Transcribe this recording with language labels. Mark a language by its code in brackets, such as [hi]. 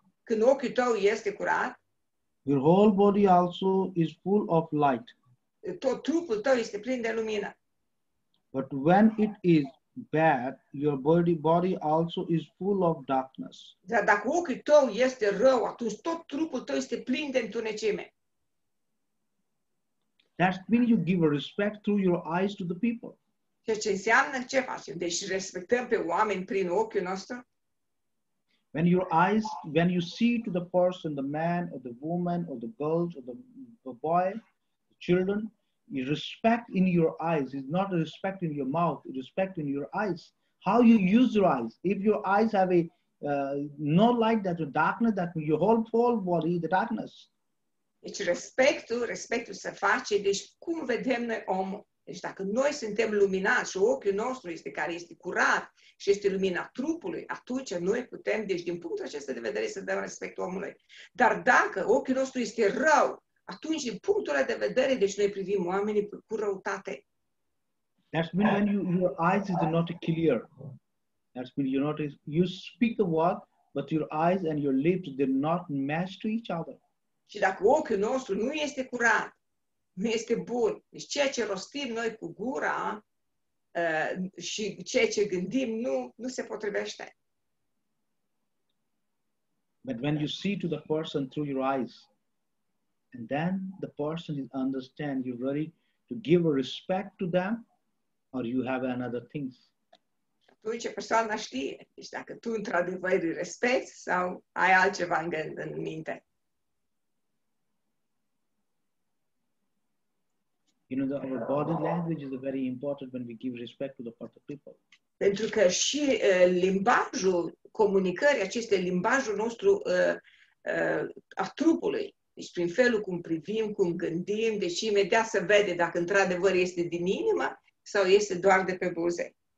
[ro] când ochiul tău este curat, [en] your whole body also is full of light. [ro] Tot trupul tău este plin de lumină. [en] But when it is bad, your body also is full of darkness. [ro] Dar dacă ochiul tău este rău, atunci tot trupul tău este plin de întunecime. [en] That means you give respect through your eyes to the people. [ro] Ceea ce înseamnă, ce facem? Deci respectăm pe oameni prin ochiul nostru? [en] When your eyes, when you see to the person, the man or the woman or the girls or the boy, the children, your respect in your eyes is not a respect in your mouth, respect in your eyes. How you use your eyes. If your eyes have a no light, that's a darkness, that your whole body is the darkness. [ro] Deci respectul se face, deci cum vedem noi omul? Deci dacă noi suntem luminați și ochiul nostru este care este curat și este lumina trupului, atunci noi putem, deci din punctul acesta de vedere, să dăm respect omului. Dar dacă ochiul nostru este rău, atunci din punctul de vedere, deci noi privim oamenii cu răutate. [en] That's mean when your eyes is not clear. That's mean you're not, you speak a word, but your eyes and your lips, they're not matched to each other. [ro] Și dacă ochiul nostru nu este curat, nu este bun. Deci ceea ce rostim noi cu gura și ceea ce gândim nu se potrivește. [en] But when you see to the person through your eyes, and then the person is understand you're ready to give a respect to them, or you have another things. [ro] Atunci persoana știe. Deci dacă tu într-adevăr îi respecti sau ai altceva în gând, în minte. [en] You know, our body language is very important when we give respect to the part of people. [ro] Pentru că și limbajul comunicării acestei, limbajul nostru a trupului, deci prin felul cum privim, cum gândim, deci imediat se vede dacă într-adevăr este din inimă sau este doar de pe buze.